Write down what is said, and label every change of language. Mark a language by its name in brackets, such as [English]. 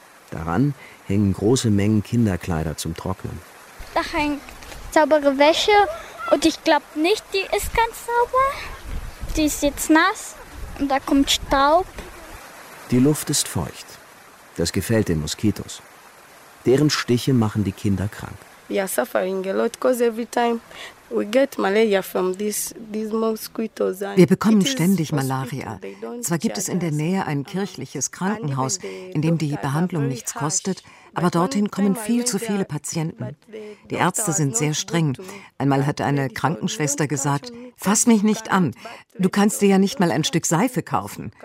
[German] Daran hängen große Mengen Kinderkleider zum Trocknen. Da hängt saubere Wäsche und ich glaube nicht, die ist ganz sauber. Die ist jetzt nass und da kommt Staub. Die Luft ist feucht. Das gefällt den Moskitos. Deren Stiche machen die Kinder krank. [English] We are suffering a lot because every time we get malaria from these mosquitoes. [German] Wir bekommen ständig Malaria. Zwar gibt es in der Nähe ein kirchliches Krankenhaus, in dem die Behandlung nichts kostet, aber dorthin kommen viel zu viele Patienten. Die Ärzte sind sehr streng. Einmal hat eine Krankenschwester gesagt, fass mich nicht an, du kannst dir ja nicht mal ein Stück Seife kaufen.